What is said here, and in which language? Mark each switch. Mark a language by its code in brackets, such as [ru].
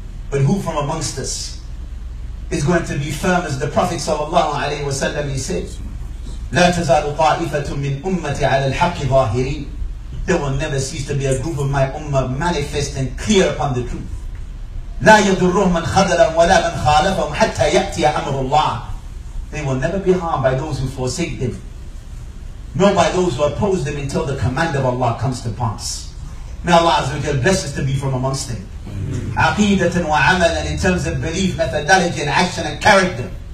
[en] But who from amongst us is going to be firm as the Prophet sallallahu alaihi wasallam, he says, [ar] لا تزال طائفة من أمتي على الحق ظاهرين. [en] There will never cease to be a group of my ummah manifest and clear upon the truth. [ar] لا يضرهم من خذلهم ولا من خالفهم حتى يأتي أمر الله. [en] They will never be harmed by those who forsake them, nor by those who oppose them until the command of Allah comes to pass. May Allah Azza wa Jalla bless us to be from amongst them. [ar] Aqeedatan wa amalan, [en] in terms of belief, methodology, and action and character.